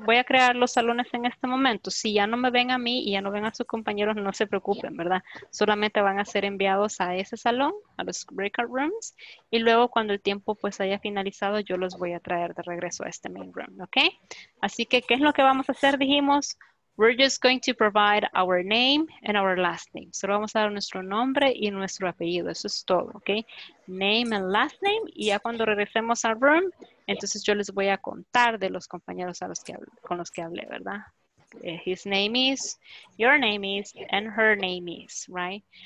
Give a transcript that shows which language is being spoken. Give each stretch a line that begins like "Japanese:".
Spanish: Voy a crear los salones en este momento. Si ya no me ven a mí y ya no ven a sus compañeros, no se preocupen, ¿verdad? Solamente van a ser enviados a ese salón, a los breakout rooms. Y luego cuando el tiempo pues haya finalizado, yo los voy a traer de regreso a este main room, ¿ok? Así que, ¿qué es lo que vamos a hacer? Dijimos,
English: we're just going to provide our name and our last name.
Spanish: Solo vamos a dar nuestro nombre y nuestro apellido. Eso es todo, ¿ok?
English: Name and last name.
Spanish: Y ya cuando regresemos al room, entonces yo les voy a contar de los compañeros a los que con los que hablé, ¿verdad?
English: His name is, your name is, and her name is, right?